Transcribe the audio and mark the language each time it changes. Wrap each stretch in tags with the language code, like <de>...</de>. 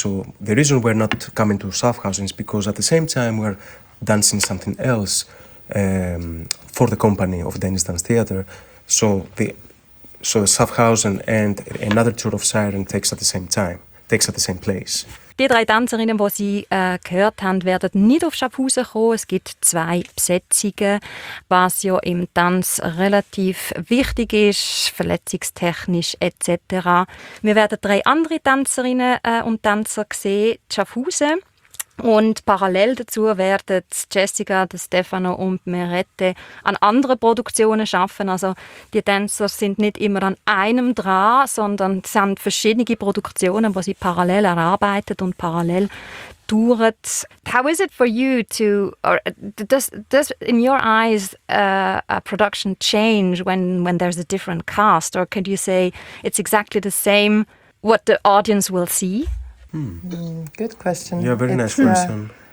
<en>So the reason we're not coming to Schaffhausen is because at the same time we're dancing something else for the company of Danish Dance Theatre. So Schaffhausen and another tour of Siren takes at the same place.</en> <de>Die drei Tänzerinnen, die Sie gehört haben, werden nicht auf Schaffhausen kommen. Es gibt zwei Besetzungen, was ja im Tanz relativ wichtig ist, verletzungstechnisch etc. Wir werden drei andere Tänzerinnen und Tänzer sehen, Schaffhausen. Und parallel dazu werden Jessica, Stefano und Merette an anderen Produktionen arbeiten. Also die Tänzer sind nicht immer an einem dran, sondern es sind verschiedene Produktionen, die sie parallel erarbeiten und parallel touren.</de> <en>How is it for you to, or does in your eyes a production change when there's a different cast? Or can you say it's exactly the same what the audience will see? Good question. Yeah, very nice question.</en>